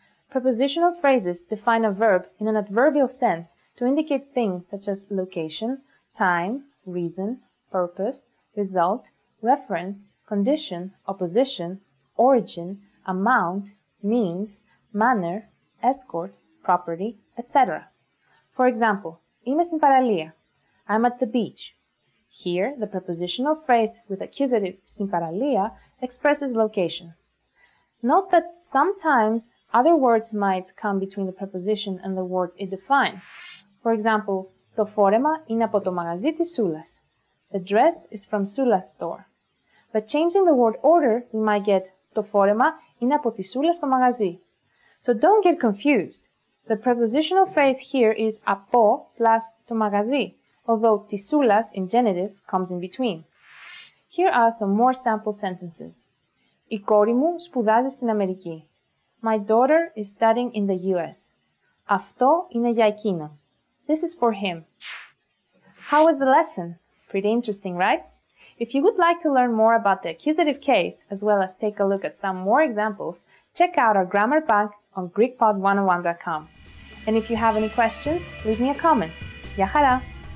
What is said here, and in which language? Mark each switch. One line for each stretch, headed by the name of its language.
English: Prepositional phrases define a verb in an adverbial sense to indicate things such as location, time, reason, purpose, result, reference, condition, opposition, origin, amount, means, manner, escort, property, etc. For example,
Greek: είμαι στην παραλία.
English: I'm at the beach. Here, the prepositional phrase with accusative
Greek: στην παραλία
English: expresses location. Note that sometimes other words might come between the preposition and the word it defines. For example,
Greek: το φόρεμα είναι από το μαγαζί της Σούλας.
English: The dress is from Σούλας store. But changing the word order, we might get
Greek: το φόρεμα είναι από τη Σούλα στο μαγαζί.
English: So don't get confused. The prepositional phrase here is από plus το μαγαζί, although τισούλας in genitive comes in between. Here are some more sample sentences.
Greek: Η κόρη μου σπουδάζει στην Αμερική.
English: My daughter is studying in the US.
Greek: Αυτό είναι για εκείνον.
English: This is for him. How was the lesson? Pretty interesting, right? If you would like to learn more about the accusative case, as well as take a look at some more examples, check out our grammar bank on GreekPod101.com. And if you have any questions, leave me a comment.
Greek: Γεια χαρά!